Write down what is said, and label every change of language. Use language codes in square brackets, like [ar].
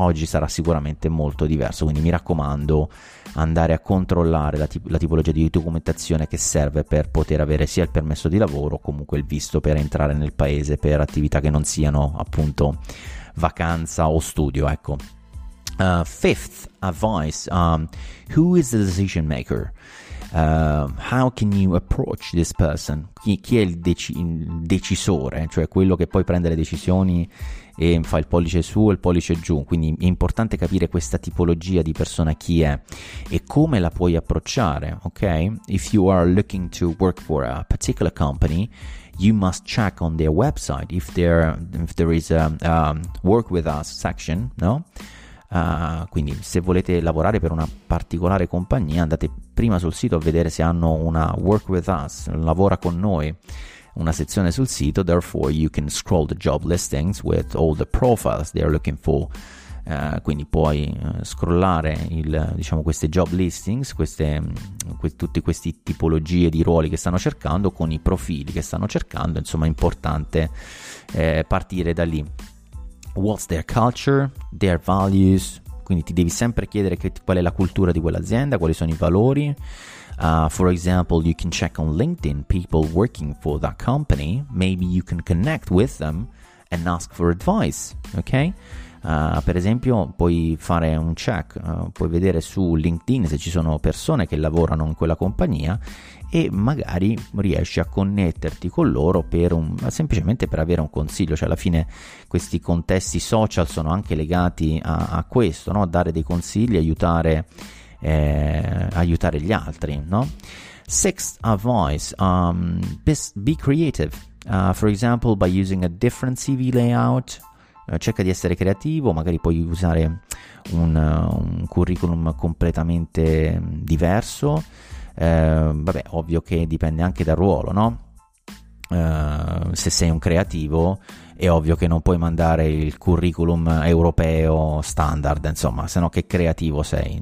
[it] Oggi sarà sicuramente molto diverso, quindi mi raccomando, andare a controllare la tipologia di documentazione che serve per poter avere sia il permesso di lavoro o comunque il visto per entrare nel paese per attività che non siano appunto vacanza o studio, ecco. [en] Fifth advice, who is the decision maker? How can you approach this person? [it] Chi è il decisore, cioè quello che poi prende le decisioni e fa il pollice su e il pollice giù? Quindi è importante capire questa tipologia di persona chi è e come la puoi approcciare, ok? [en] If you are looking to work for a particular company, you must check on their website if there is a work with us section, no? [it] Quindi se volete lavorare per una particolare compagnia, andate prima sul sito a vedere se hanno una [en] work with us, [it] lavora con noi, una sezione sul sito. [en] Therefore you can scroll the job listings with all the profiles they are looking for. [it] Quindi puoi scrollare queste job listings, tutte queste tipologie di ruoli che stanno cercando con i profili che stanno cercando. Insomma, è importante partire da lì. [en] What's their culture, their values? [it] Quindi ti devi sempre chiedere qual è la cultura di quell'azienda, quali sono i valori. [en] For example, you can check on LinkedIn people working for that company. Maybe you can connect with them and ask for advice, ok? [it] Per esempio, puoi fare un check, puoi vedere su LinkedIn se ci sono persone che lavorano in quella compagnia e magari riesci a connetterti con loro semplicemente per avere un consiglio. Cioè, alla fine questi contesti social sono anche legati a questo, no? A dare dei consigli, aiutare gli altri, no? [en] Sixth advice, be creative, for example by using a different CV layout. [it] Cerca di essere creativo, magari puoi usare un curriculum completamente diverso. Vabbè, ovvio che dipende anche dal ruolo, no? Se sei un creativo è ovvio che non puoi mandare il curriculum europeo standard, insomma, sennò che creativo sei?